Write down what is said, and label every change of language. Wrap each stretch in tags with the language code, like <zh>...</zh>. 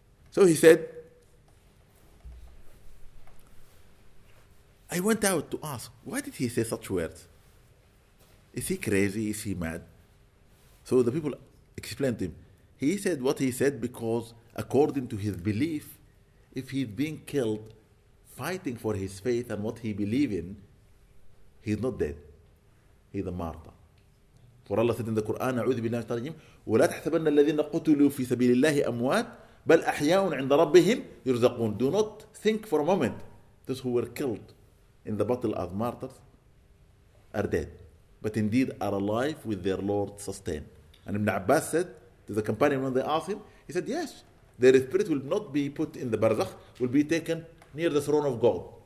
<en>So he said, I went out to ask, why did he say such words? Is he crazy? Is he mad? So the people explained to him. He said what he said because according to his belief, if he's being killed fighting for his faith and what he believes in, he's not dead. He's a martyr. For Allah said in the Quran,</en> <ar>أعوذ بالله من الشيطان الرجيم ولا تحسبن الذين قتلوا في سبيل الله أموات بل أحياء عند ربهم يرزقون.</ar> <en>Do not think for a moment those who were killed in the battle as martyrs are dead, but indeed are alive with their Lord sustained. And Ibn Abbas said to the companion when they asked him, he said, yes, their spirit will not be put in the barzakh, will be taken near the throne of God.</en>